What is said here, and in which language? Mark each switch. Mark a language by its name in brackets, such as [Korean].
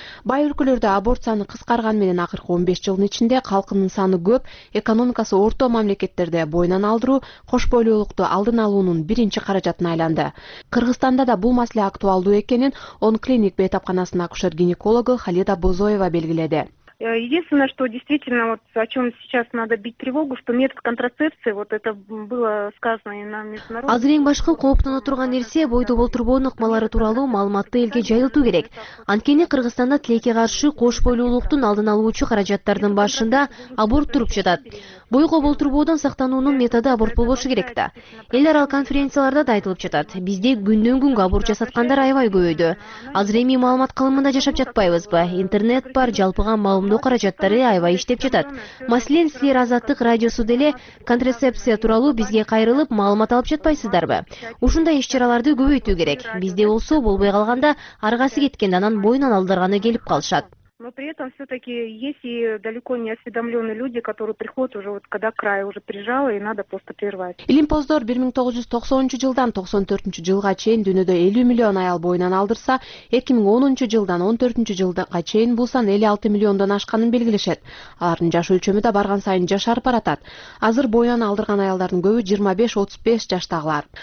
[Kyrgyz] Бай өлкөлөрдө аборт саны кыскарган менен акыркы 15 жылдын ичинде калкынын саны көп, экономикасы орто мамлекеттерде боюнан алдыруу кош бойлуулукту алдын алуунун биринчи каражатына айланды. Кыргызстанда да бул маселе актуалдуу экенин Онклиник бейтапканасынын акушер гинекологу Халида Бозоева белгиледи. [Russian] Единственное, что действительно вот о чем сейчас надо бить тревогу, что метод контрацепции, вот это было сказано и на международном. [Kyrgyz] Азыр эң башкы кооптоно турган нерсе бойду болтурбоонун ыкмалары тууралуу маалыматты элге жайылтуу керек. Анткени Кыргызстанда тилекке каршы кош бойлуулуктун алдын алуучу каражаттардын башында аборт туруп жатат. Бойго болтурбоодон сактануунун методу аборт болбошу керек да. Эл аралык конференцияларда да айтылып жатат. Бизде күндөн күнгө аборт жасаткандар аябай көбөйдү. Азыр эми маалымат кылымында жашап жатпайбызбы? Интернет бар, жалпыга маалымдоо каражаттары аябай иштеп жатат. Маселен, силер Азаттык радиосу деле контрацепция тууралуу бизге кайрылып маалымат алып жатпайсыздарбы? Ушундай иш чараларды көбөйтүү керек. Бизде болсо болбой калганда аргасы кеткенде анан боюнан алдырганы келип калышат. [Russian] Но при этом все-таки есть и далеко не осведомленные люди, которые приходят уже вот когда край уже прижало и надо просто прервать. [Kyrgyz] Илимпоздор 1990 жылдан 94 жылга чейин дүйнөдө 50 миллион аял боюнан алдырса, 2010 жылдан 14 жылга чейин бул сан 56 миллиондон ашканын белгилешет. Алардын жаш өлчөмү да барган сайын жашарып баратат. Азыр боюнан алдырган аялдардын көбү 25-35 жаштагылар.